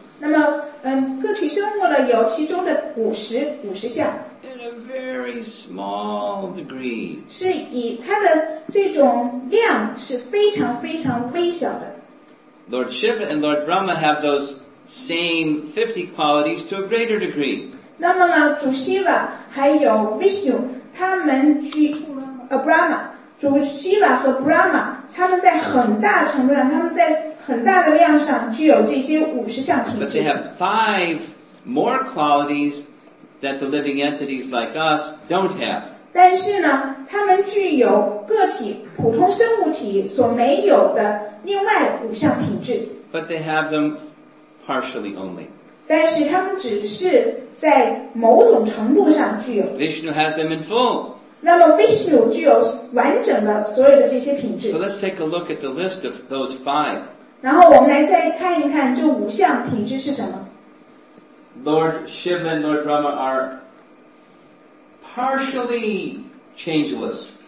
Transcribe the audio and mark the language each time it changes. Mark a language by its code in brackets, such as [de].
[zh] 那么，个体生物呢，有其中的50项。 [en] In a very small degree. [zh] 是以它的这种量是非常非常微小的。 [en] Lord Shiva and Lord Brahma have those same 50 qualities to a greater degree. [zh] 那么呢，主 Shiva 还有 Vishnu， 他们去 Brahma， 主 Shiva 和 Brahma。他们在很大程度上，他们在很大的量上具有这些五十项品质。 [en] But they have five more qualities that the living entities like us don't have. [zh] 但是呢，他们具有个体普通生物体所没有的另外五项品质。 [en] But they have them partially only. [zh] 但是他们只是在某种程度上具有。 [en] Vishnu has them in full. [zh] 那么 Vishnu 具有完整的所有的这些品质。 [en] So let's take a look at the list of those five. [zh] 然后我们来再看一看这五项品质是什么。 [en] Lord Shiva and Lord Brahma are partially changeless.